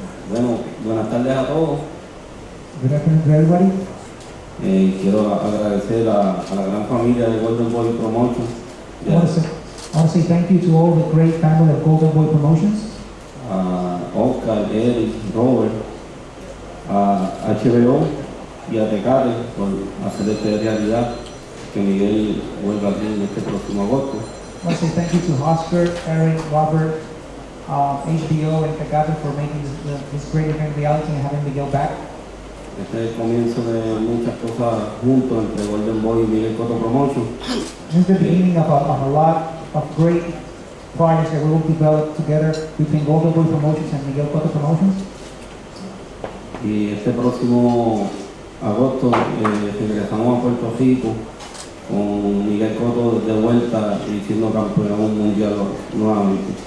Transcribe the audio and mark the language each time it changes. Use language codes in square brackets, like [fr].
[es] Bueno, buenas tardes a todos. [en] Good afternoon, everybody. [es] Quiero agradecer a la gran familia de Golden Boy Promotions. [en] Yeah. I want to say thank you to all the great family of Golden Boy Promotions. [es] Oscar, Eric, Robert, HBO, y a Tecate por hacer esta realidad que Miguel vuelva a tener este próximo agosto. [en] I want to say thank you to Oscar, Eric, Robert, HBO, and Tecate for making this great event reality and having Miguel back. [es] Este es el comienzo de muchas cosas juntos entre Golden Boy y Miguel Cotto Promotion. [en] This is the beginning of a lot of great projects that we will develop together between Golden Boy Promotions and Miguel Cotto Promotions. [es] Y este próximo agosto regresamos a Puerto Rico con Miguel Cotto de vuelta y siendo campeón mundial nuevamente.